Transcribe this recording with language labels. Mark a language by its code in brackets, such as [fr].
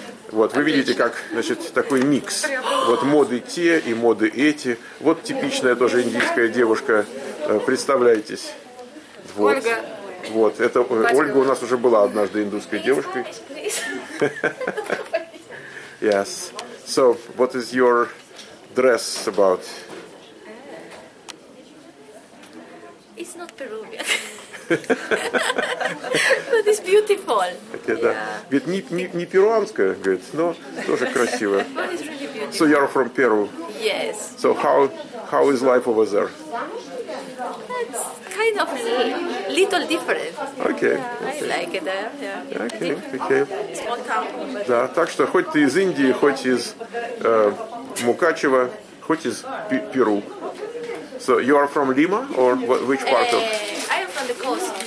[ru] Вот, вы видите, как, значит, такой микс. Вот моды те и моды эти. Вот типичная тоже индийская девушка. Представляйтесь. Вот. Ольга. Вот, это Ольга у нас уже была однажды индусской девушкой. [en] Yes. So, what is your dress about? It's not Peruvian. But it's beautiful. Okay, yeah. [ru] Да. Ведь не перуанская, говорит, но тоже красиво. [en] But it's really beautiful. So you're from Peru? Yes. So how is life over there? It's kind of little different. Okay. Yeah, I like it there. Yeah. Okay. Small town. [ru] Да, так что хоть ты из Индии, хоть из Мукачева, хоть из Перу. [en] So you are from Lima or which part of?